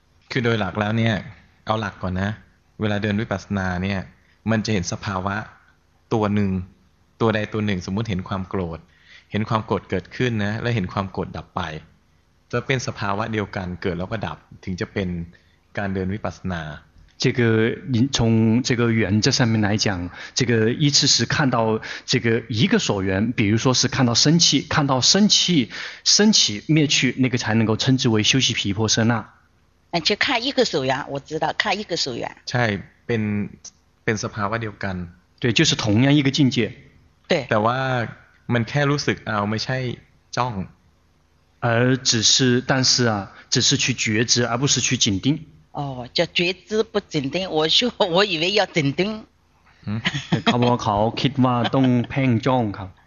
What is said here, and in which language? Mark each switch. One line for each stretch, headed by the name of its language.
Thai: คือโดยหลักแล้วเนี่ยเอาหลักก่อนนะเวลาเดินวิปัสสนาเนี่ยมันจะเห็นสภาวะตัวหนึ่งตัวใดตัวหนึ่งสมมุติเห็นความโกรธเห็นความโกรธเกิดขึ้นนะและเห็นความโกรธดับไปจะเป็นสภาวะเดียวกันเกิดแล้วก็ดับถึงจะเป็นการเดินวิปัสสนา
Chinese: 这个从这个原则上面来讲，这个一次是看到这个一个所缘，比如说是看到生气，看到生气升起灭去，那个才能够称之为休息皮婆舍那。就看一个所缘，我知道看一个所缘。
Thai: ใช่เป็นสภาวะเดียวกัน。
Chinese: 对，就是同样一个境界。对。
Thai: แต่ว่ามันแค่รู้สึกเอาไม่ใช่จ้อง，
Chinese: 而只是但是啊，只是去觉知，而不是去紧盯。哦，叫觉知不紧盯，我以为要紧盯。嗯，他说他
Thai: คิดว่าต้องเพ่งจ้องครับ。